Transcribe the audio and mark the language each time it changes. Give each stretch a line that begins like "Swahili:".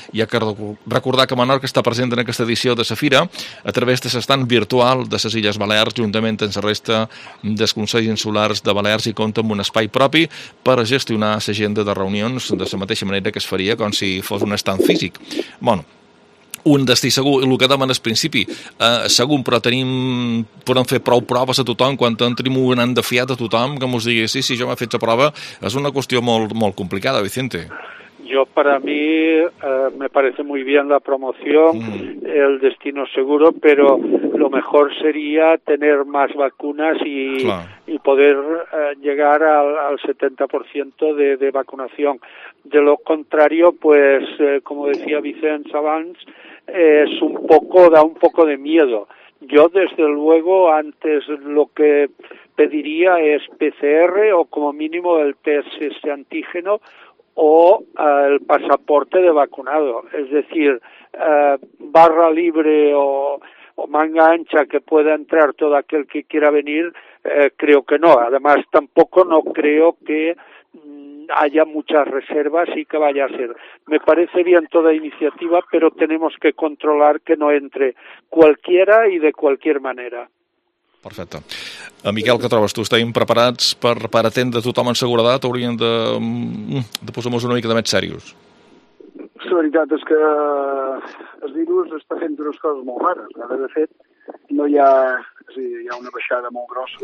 Catalan: Hi ha que recordar que Menorca està present en aquesta edició de la Fira a través de l'estand virtual de les Illes Balears, juntament amb la resta dels consells insulars de Balears, i compta amb un espai propi per gestionar l'agenda de reunions de la mateixa manera que es faria com si fos un estand físic. Bueno, un destí segur, el que demana al principi, segur, però tenim, podem fer prou proves a tothom, quan entrim un any de fiat a tothom, que mos digui, sí, jo m'he fet la prova, és una qüestió molt, molt complicada, Vicente.
Spanish: Yo, para mí, me parece muy bien la promoción, el destino seguro, pero lo mejor sería tener más vacunas y, claro, y poder llegar al 70% de vacunación. De lo contrario, pues, como decía Vicente Avance, es un poco, da un poco de miedo. Yo, desde luego, antes lo que pediría es PCR o, como mínimo, el test ese antígeno, o el pasaporte de vacunado, es decir, barra libre o manga ancha que pueda entrar todo aquel que quiera venir, creo que no. Además, tampoco no creo que haya muchas reservas y que vaya a ser. Me parece bien toda iniciativa, pero tenemos que controlar que no entre cualquiera y de cualquier manera.
Catalan: Perfecte. A Miquel, què trobes tu? Estem preparats per atendre tothom en seguretat? Hauríem de posar-nos una mica de més serios? La veritat és que el virus està fent unes coses molt rares. Ara, de fet, no hi ha... És a dir, hi ha una baixada molt grossa.